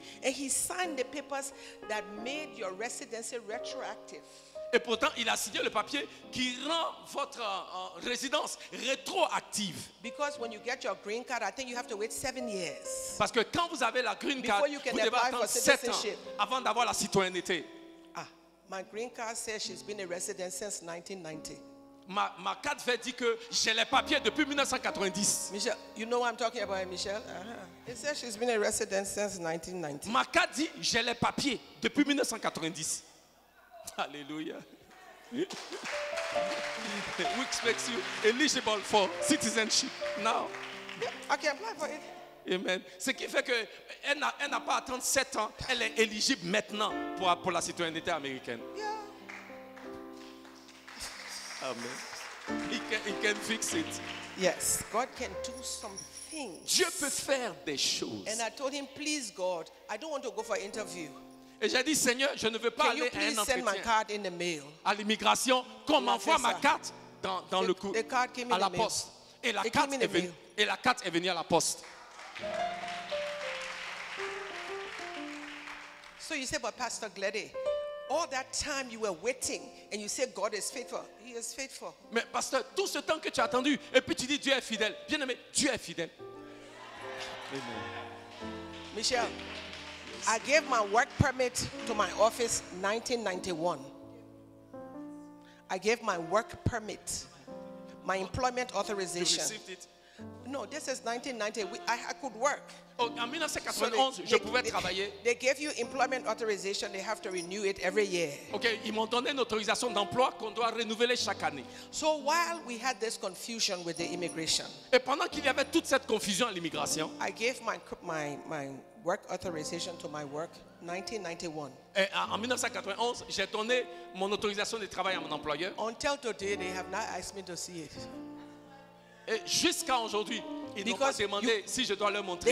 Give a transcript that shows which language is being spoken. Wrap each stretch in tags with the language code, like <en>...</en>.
<en>And he signed the papers that made your residency retroactive.</en> <fr>Et pourtant, il a signé le papier qui rend votre résidence rétroactive.</fr> <en>Because when you get your green card, I think you have to wait 7 years.</en> <fr>Parce que quand vous avez la green card,</fr> <en>before you can</en> <fr>vous devez</fr> <en>apply</en> <fr>attendre</fr> <en>for</en> <fr>7 ans avant d'avoir la citoyenneté.</fr> <en>Ah, my green card says she's been a resident since 1990.</en> <fr>Ma carte fait dire que j'ai les papiers depuis 1990.</fr> <en>Michel, you know what I'm talking about, Michel? Uh-huh. It says she's been a resident since 1990.</en> <fr>Ma carte dit j'ai les papiers depuis 1990. Alléluia.</fr> <en>We expect you eligible for citizenship now. Okay, apply for it. Amen.</en> <fr>Ce qui fait que elle n'a pas à attendre 7 ans, elle est éligible maintenant pour la citoyenneté américaine.</fr> <en>Yeah. Amen. He can fix it. Yes, God can do something.</en> <fr>Dieu peut faire des choses.</fr> <en>And I told him, please God, I don't want to go for an interview.</en> <fr>Et j'ai dit, Seigneur, je ne veux pas aller à un entretien.</fr> <en>Send my card in the mail?</en> <fr>À l'immigration, qu'on m'envoie ma carte dans le coup, à la poste. Et la carte est venue à la poste.</fr> <en>So you say, but Pastor Gladys, all that time you were waiting and you say God is faithful. He is faithful.</en> <fr>Mais pasteur, tout ce temps que tu as attendu et puis tu dis Dieu est fidèle. Bien aimé, Dieu est fidèle.</fr> <en>Amen. Michel. I gave my work permit to my office 1991. I gave my work permit, my employment authorization. You received it? No, this is 1990. I could work.</en> <fr>Oh, en 1991, so je pouvais travailler.</fr> <en>They gave you employment authorization. They have to renew it every year.</en> <fr>Okay, ils m'ont donné une autorisation d'emploi qu'on doit renouveler chaque année.</fr> <en>So while we had this confusion with the immigration,</en> <fr>et pendant qu'il y avait toute cette confusion à l'immigration,</fr> <en>I gave my work authorization to my work 1991.</en> <fr>Et en 1991, j'ai donné mon autorisation de travail à mon employeur.</fr> <en>Until today, they have not asked me to see it.</en> <fr>Et jusqu'à aujourd'hui, ils n'ont pas demandé si je dois leur montrer.</fr>